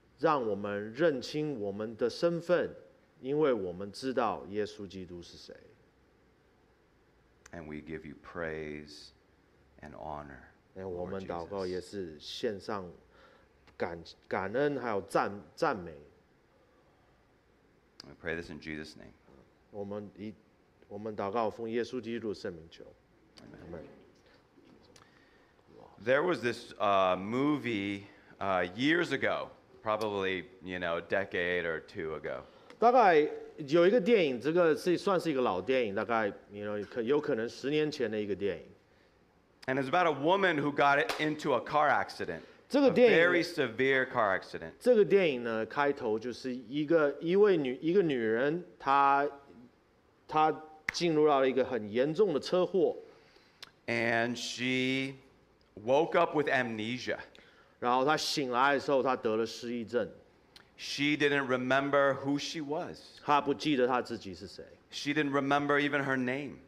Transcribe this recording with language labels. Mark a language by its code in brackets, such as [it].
[zh] 让我们认清我们的身份，因为我们知道耶稣基督是谁。 [en] And we give you praise and honor. [zh] 我们祷告也是献上感恩还有赞美。 [en] We pray this in Jesus' name. [zh] 我们祷告奉耶稣基督的圣名求。 [en] Amen. There was this movie years ago, probably, you know, a decade or two ago. [zh] 大概有一个电影，这个是算是一个老电影，大概 [en] you know, [zh] 有可能十年前的一个电影。 [en] And it's about a woman who got into a car accident. [zh] 这个电影 [en] a very severe car accident. [zh] 这个电影呢，开头就是一个女人，她进入到了一个很严重的车祸。 [en] And she woke up with amnesia. [zh] 然后她醒来的时候，她得了失忆症。 [en] She didn't remember who she was. [zh] 她不记得她自己是谁。 [en] She didn't remember even her name.